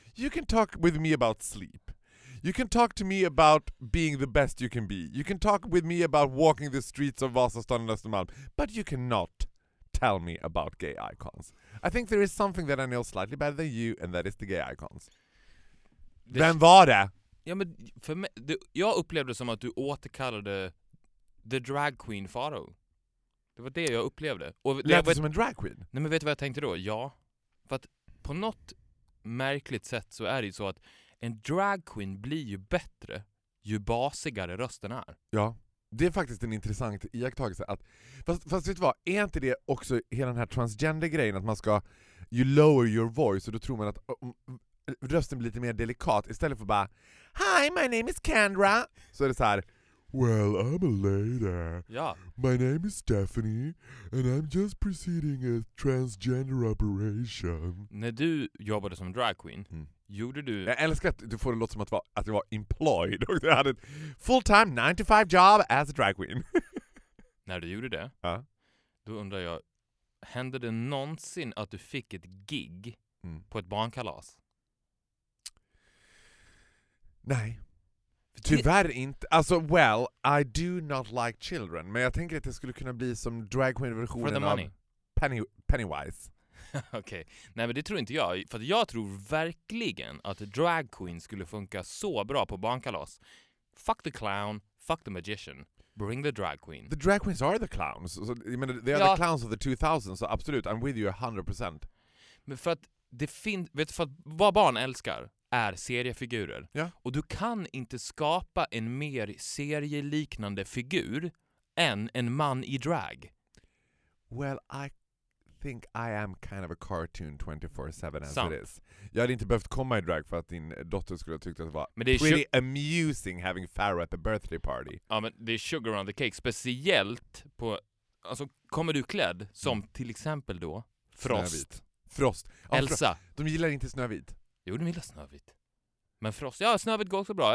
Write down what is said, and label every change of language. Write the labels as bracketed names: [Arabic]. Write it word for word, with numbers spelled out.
[English] You can talk with me about sleep. You can talk to me about being the best you can be. You can talk with me about walking the streets of Vasastan and Östermalm. But you cannot tell me about gay icons. I think there is something that I know slightly better than you and that is the gay icons. [Swedish] Det... Vem var det? Ja, men för mig, det, jag upplevde som att du återkallade The Drag Queen Faro. Det var det jag upplevde. Och det lät som en drag queen? Nej, men vet du vad jag tänkte då? Ja. För att på något märkligt sätt så är det ju så att en drag queen blir ju bättre ju basigare rösten är. Ja. Det är faktiskt en intressant iakttagelse att fast, fast vet du vad, är inte det också hela den här transgender-grejen att man ska you lower your voice och då tror man att um, rösten blir lite mer delikat istället för bara Hi, my name is Kendra så är det så här Well, I'm a lady. Ja. [English] My name is Stephanie and I'm just proceeding a transgender operation. [Swedish] När du jobbade som drag queen, mm. gjorde du... Jag älskar att du får det låta som att, var, att jag var employed och du hade ett full-time nine to five job as a drag queen. När du gjorde det, ja. Då undrar jag, hände det någonsin att du fick ett gig mm. på ett barnkalas? Nej. Tyvärr inte. [English] Alltså, well, I do not like children. [Swedish] Men jag tänker att det skulle kunna bli som drag queen-versionen av Penny, Pennywise. Okej. Okay. Nej, men det tror inte jag. För att jag tror verkligen att drag queen skulle funka så bra på barnkalas. [English] Fuck the clown, fuck the magician. Bring the drag queen. The drag queens are the clowns. So, I mean, they are ja. the clowns of the two thousand. Så absolut, I'm with you one hundred percent. [Swedish] Men för att det finns... Vet du, för att vad barn älskar... är seriefigurer. Ja. Och du kan inte skapa en mer serieliknande figur än en man i drag. [English] Well, I think I am kind of a cartoon twenty-four seven as sant. It is. [Swedish] Jag hade inte behövt komma i drag för att din dotter skulle ha tyckt att det var men det är [English] pretty su- amusing having Farrah at the birthday party. [Swedish] Ja, men det är sugar on the cake. Speciellt på... Alltså, kommer du klädd som mm. till exempel då Frost. Snövit. Frost. Ja, Elsa. Frost. De gillar inte Snövit. Jo, de gillar Snövit. Men Frost, ja, Snövit går också bra.